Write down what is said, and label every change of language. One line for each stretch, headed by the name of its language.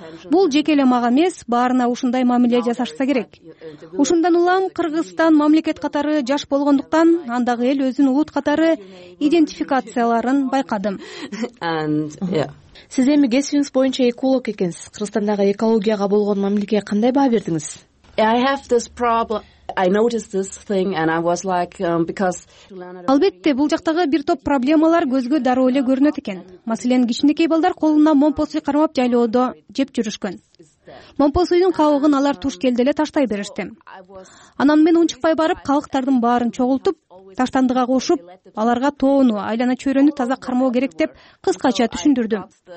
Kyrgyz: Бул жеке эле мага эмес, баарына ушундай мамиле жасашса керек. Ушундан улам Кыргызстан мамлекет катары жаш болгондуктан, андагы эл өзүн улут катары идентификацияларын байкадым. Сиз эми кесибиңиз боюнча эколог экенсиз. Кыргызстандагы экологияга болгон мамилеге кандай баа бердиңиз?
English: I have this problem. I noticed this thing and I was like because
Kyrgyz: Албетте, бул жактагы бир топ проблемалар көзгө дароо эле көрүнөт экен. Маселен, кичинекей балдар колуна момпосуй кармап жайлоодо жеп жүрүшкөн. Момпосуйдун кабыгын алар туш келди эле таштай беришти. Анан мен унчукпай барып, калыктардын баарын чогултуп, таштандыга кошуп, аларга тоону, айлана чөйрөнү таза кармоо керек деп кыскача түшүндүрдүм.